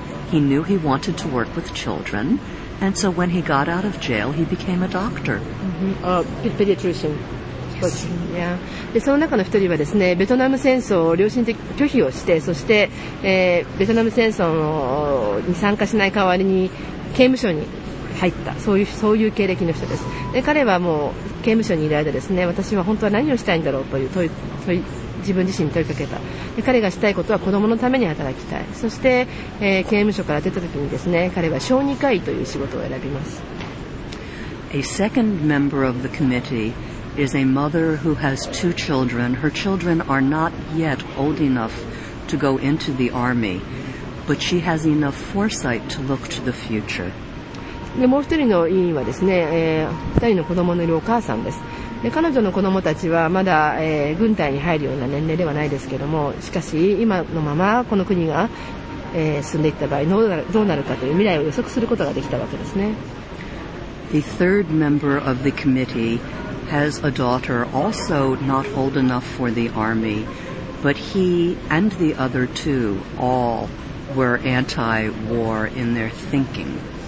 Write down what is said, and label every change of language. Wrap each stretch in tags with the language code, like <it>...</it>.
<en>He knew he wanted to work with children, and so when he got out of jail, he became a doctor. A、mm-hmm. Pediatrician. Yes. Yeah.</en> <ja>で、その中の一人はですね、ベトナム戦争を良心的拒否をして、そして、ベトナム戦争に参加しない代わりに刑務所に入ったそういう経歴の人です。で彼はもう刑務所にいる間ですね、私は本当は何をしたいんだろうという問い自分自身に問いかけた。で彼がしたいことは子どものために働きたい。そして、刑務所から出た時にですね彼は小児科医という仕事を選びます。</ja> <en>A second member of the committee is a mother who has two children. Her children are not yet old enough to go into the army, but she has enough foresight to look to the future.</en> <ja>でもう一人の委員はですね、二人の子供のいるお母さんです。で彼女の子供たちはまだ、軍隊に入るような年齢ではないですけれども、しかし今のままこの国が、進んでいった場合どうなるかという未来を予測することができたわけですね。</ja> <en>The third member of the committee has a daughter also not old enough for the army, but he and the other two all were anti-war in their thinking.</en>